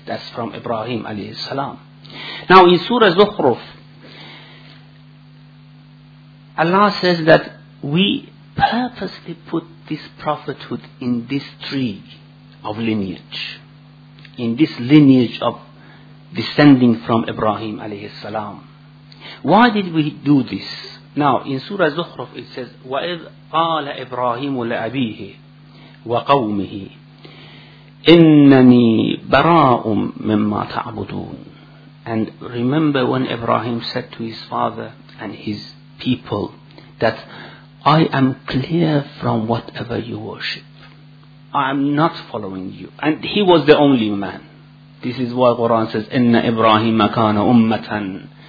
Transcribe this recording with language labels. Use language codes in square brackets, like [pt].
[en] That's from Ibrahim alayhi salam. Now in Surah Zukhruf, Allah says that we purposely put this prophethood in this tree of lineage, in this lineage of descending from Ibrahim alayhi salam. Why did we do this? Now in Surah Zukhruf it says, [ar] وَإِذْ قَالَ إِبْرَاهِيمُ لِأَبِيهِ وَقَوْمِهِ إِنَّنِي بَرَاءٌ مِمَّا تَعْبُدُونَ. [en] And remember when Ibrahim said to his father and his people that I am clear from whatever you worship. I am not following you. And he was the only man. This is why Quran says, [ar] Inna Ibrahim kana ummatan.